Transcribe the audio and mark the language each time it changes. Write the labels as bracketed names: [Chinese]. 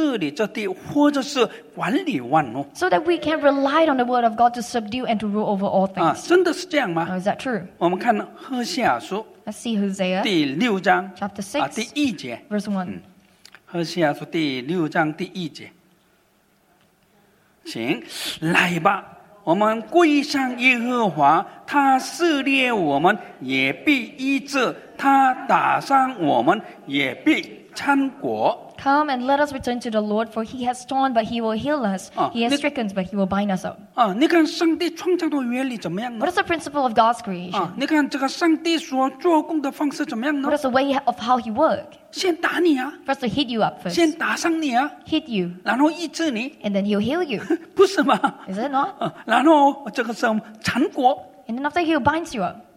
[Chinese] 为的是在这样的混沌里面，为的是让我们来靠着上帝的话来治理这地，或者是管理万物。 [English] So that we can rely on the word of God to subdue and to rule over all things. [Chinese] 真的是这样吗？ [English] Is that true? [Chinese] 我们看赫西亚书， [English] Let's see Hosea [Chinese] 第六章， [English] Chapter 6， [Chinese] 第一节， [English] Verse 1。 [Chinese] 赫西亚书第六章第一节。行，来吧，我们归向耶和华，他赦怜我们，也必医治；他打伤我们，也必搀裹。 [English] Come and let us return to the Lord, for He has torn, but He will heal us. He has stricken, but He will bind us up. [Chinese] 你看上帝创造的原理怎么样呢？ [English] What is the principle of God's creation? [Chinese] 你看这个上帝所做工的方式怎么样呢？ [English] What is the way of how He works? [Chinese] 先打你啊！ [English] First, to hit you up first. [Chinese] 先打伤你啊！ [English] Hit you. [Chinese] 然后医治你。 [English] And then He'll heal you. [Chinese] 不是吗？ [English] Is it not? [Chinese] 然后这个是缠裹。 [English] And then after He'll bind you up.